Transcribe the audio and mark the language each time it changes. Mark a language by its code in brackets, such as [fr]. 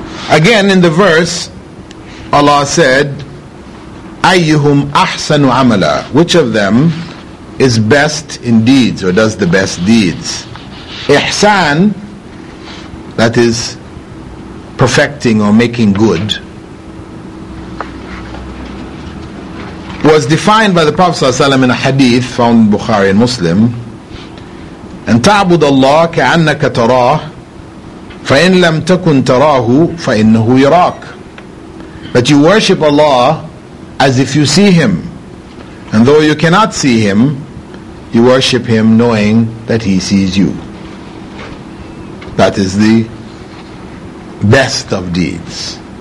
[en] Again, in the verse, Allah said, [ar] أَيُّهُمْ أَحْسَنُ عَمَلًا, [en] which of them is best in deeds, or does the best deeds? إِحْسَان, that is perfecting or making good, was defined by the Prophet ﷺ in a hadith found in Bukhari and Muslim. [ar] And تعبد الله كأنك تراه فإن لم تكن تراه فإنه يراك. [en] But you worship Allah as if you see Him. And though you cannot see Him, you worship Him knowing that He sees you. That is the best of deeds.